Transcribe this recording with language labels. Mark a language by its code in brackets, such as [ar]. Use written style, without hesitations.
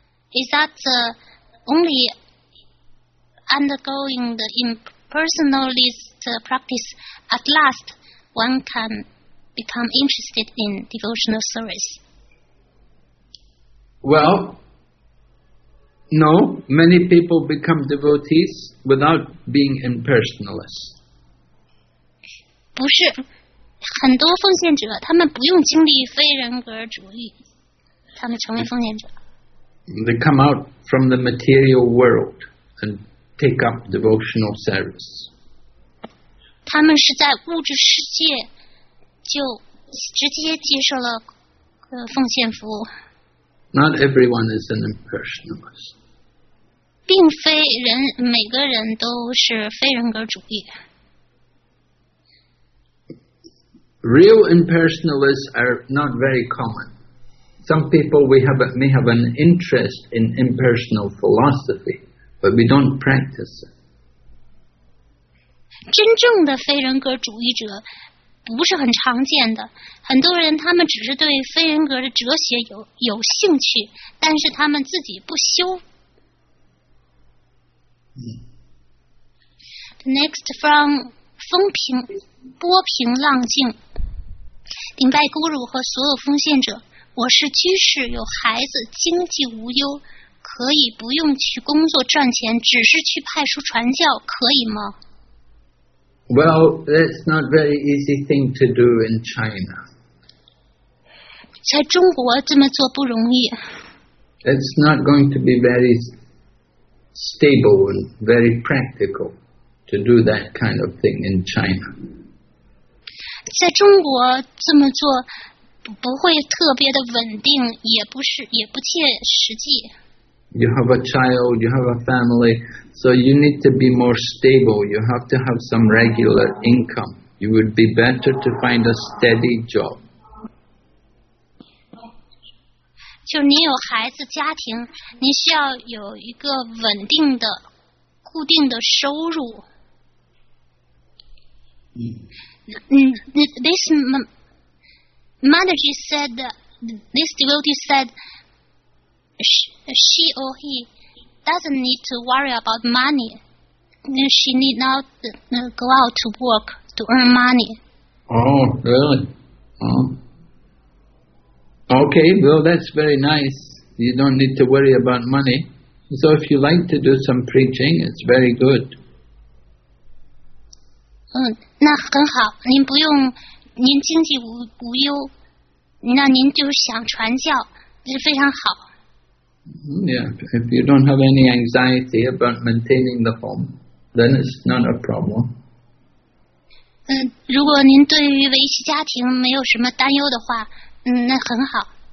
[en] Is that only undergoing the impersonalist practice at last one can become interested in devotional service? Well, no, many people become devotees without being impersonalists. [zh] 不是，很多奉献者他们不用经历非人格主义，他们成为奉献者。 [en] They come out from the material world and take up devotional service. [zh] 他们是在物质世界就直接接受了奉献服务。 [en] Not everyone is an impersonalist. [zh] 并非人每个人都是非人格主义。 [en] Real impersonalists are not very common. some people may have an interest in impersonal philosophy, but we don't practice it. [zh] 真正的非人格主义者不是很常见的，很多人他们只是对非人格的哲学有兴趣，但是他们自己不修。 [en] Next from [zh] 风平波平浪静，顶拜孤乳和所有奉献者，我是居士，有孩子，经济无忧，可以不用去工作赚钱，只是去派出传教，可以吗？ [en] Well, that's not a very easy thing to do in China. [zh] 在中国这么做不容易。 [en] It's not going to be very stable and very practical to do that kind of thing in China. [zh] 在中国这么做不会特别的稳定，也不切实际。 [en] You have a child, you have a family, so you need to be more stable. You have to have some regular income. You would be better to find a steady job. [zh] 就你有孩子家庭，你需要有一个稳定的、固定的收入。 [en] This Mataji said, this devotee said,She or he doesn't need to worry about money. She need not go out to work to earn money. Oh, really? Oh. Okay, well, that's very nice. You don't need to worry about money. So if you like to do some preaching, it's very good. [zh] 那很好。您不用，您经济无忧，那您就想传教，这非常好。 [en] Yeah, if you don't have any anxiety about maintaining the home, then it's not a problem. [zh] 如果您对于维系家庭没有什么担忧的话，那很好。